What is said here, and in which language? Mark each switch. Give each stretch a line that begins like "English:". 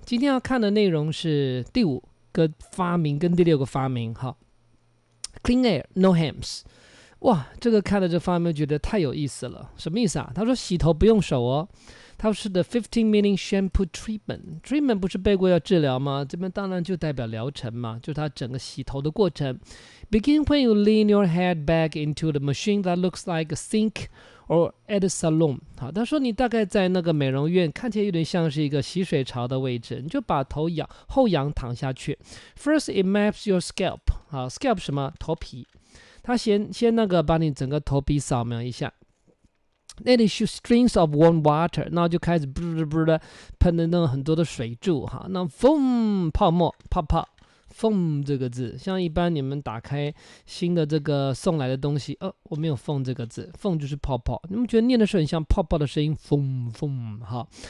Chinese: 今天要看的内容是第五个发明跟第六个发明，好， Clean air, no hams。哇，这个看了这发明觉得太有意思了。什么意思啊？他说洗头不用手哦，他说的 15 minute shampoo treatment。 treatment 不是背过要治疗吗？这边当然就代表疗程嘛，就是他整个洗头的过程。
English: Begin when you lean your head back into the machine that looks like a sink or at a salon。
Chinese: 好，他说你大概在那个美容院看起来有点像是一个洗水槽的位置，你就把头仰后仰躺下去。
English: First it maps your scalp。 好， scalp 什么？头皮。
Chinese: 他 先那个把你整个头皮扫描一下。 Then it shoots strings of warm water，然后就开始噗噗噗的喷的那很多的水柱哈，那 foam 泡沫泡泡 foam 这个字，像一般你们打开新的这个送来的东西，我没有 foam 这个字， foam 就是泡泡，你们觉得念的时候很像泡泡的声音 foam foam 哈，